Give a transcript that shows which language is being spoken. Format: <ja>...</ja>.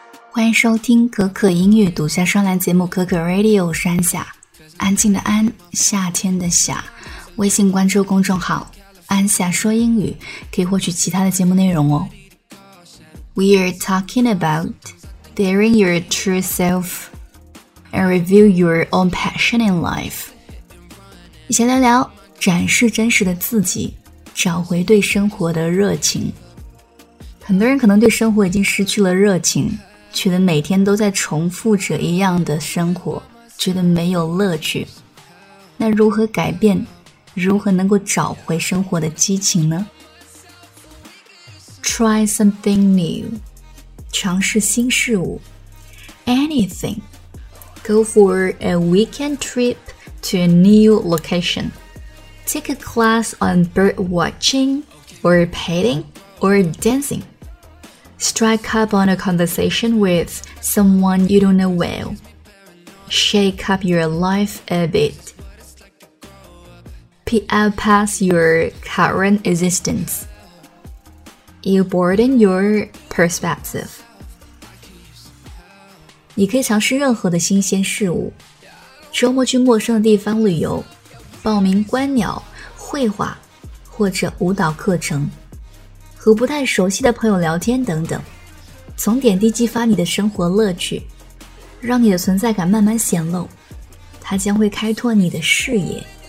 <zh>欢迎收听可可英语独家专栏节目可可 Radio， 山下安静的安，夏天的夏。微信关注公众号安夏说英语，可以获取其他的节目内容哦。</zh> <en>We are talking about daring your true self and reveal your own passion in life，</en> <zh>一起聊聊展示真实的自己，找回对生活的热情。很多人可能对生活已经失去了热情，觉得每天都在重复着一样的生活，觉得没有乐趣。那如何改变，如何能够找回生活的激情呢？</zh> <en>Try something new，</en> <zh>尝试新事物。</zh> <en>Anything， Go for a weekend trip to a new location， Take a class on bird watching or painting or dancingStrike up on a conversation with someone you don't know well. Shake up your life a bit. Peel past your current existence. You broaden your perspective.</en> <zh>你可以尝试任何的新鲜事物。周末去陌生的地方旅游，报名观鸟、绘画或者舞蹈课程。和不太熟悉的朋友聊天等等，从点滴激发你的生活乐趣，让你的存在感慢慢显露，它将会开拓你的视野。</zh>